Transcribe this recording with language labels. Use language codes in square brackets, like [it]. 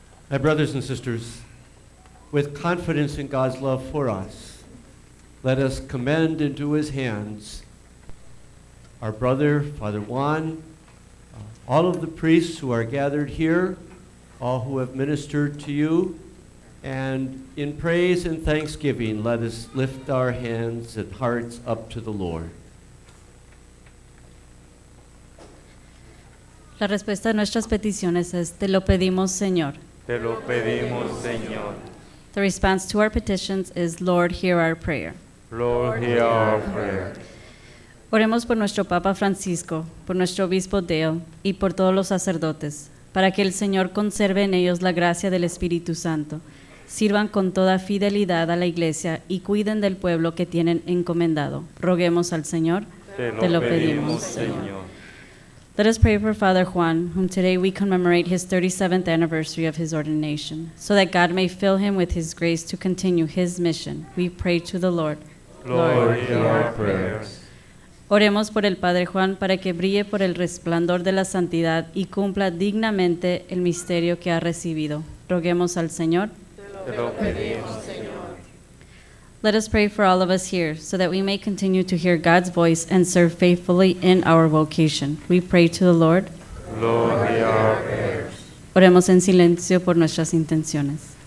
[en] My brothers and sisters, with confidence in God's love for us, let us commend into His hands our brother, Father Juan, all of the priests who are gathered here, all who have ministered to you, and in praise and thanksgiving, let us lift our hands and hearts up to the Lord. [es] La respuesta a nuestras peticiones es, te lo pedimos, Señor. Te lo pedimos, Señor. [en] The response to our petitions is, Lord, hear our prayer. Lord, hear our prayer. [es] Oremos por nuestro Papa Francisco, por nuestro Obispo Dale y por todos los sacerdotes, para que el Señor conserve en ellos la gracia del Espíritu Santo, sirvan con toda fidelidad a la Iglesia y cuiden del pueblo que tienen encomendado. Roguemos al Señor. Te lo pedimos, Señor. [en] Let us pray for Father Juan, whom today we commemorate his 37th anniversary of his ordination, so that God may fill him with his grace to continue his mission. We pray to the Lord. Lord, hear our prayers. [es] Oremos por el Padre Juan para que brille por el resplandor de la santidad y cumpla dignamente el misterio que ha recibido. Roguemos al Señor. Te lo pedimos, Señor. [en] Let us pray for all of us here, so that we may continue to hear God's voice and serve faithfully in our vocation. We pray to the Lord. Lord, hear our prayers. [es] Oremos en silencio por nuestras intenciones.